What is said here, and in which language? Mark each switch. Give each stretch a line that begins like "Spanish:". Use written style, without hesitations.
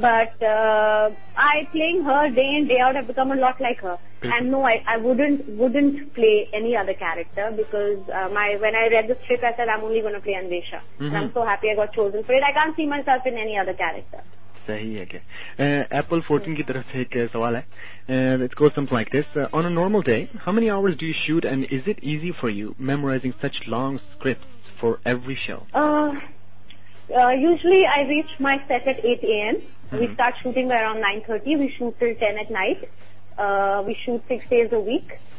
English: But I, playing her day in, day out, I've become a lot like her. And no, I wouldn't play any other character, because when I read the script, I said, I'm only going to play Anvesha. Mm-hmm. And I'm so happy I got chosen for it. I can't see myself in any other character.
Hindi: सही है क्या? Apple 14 की तरफ से एक सवाल है.
English: It goes something like this: on a normal day, how many hours do you shoot, and is it easy for you memorizing such long scripts for every show? Usually, I reach my set at 8 a.m. Mm-hmm. We start shooting by around 9:30. We shoot till 10 at night. We shoot 6 days a week.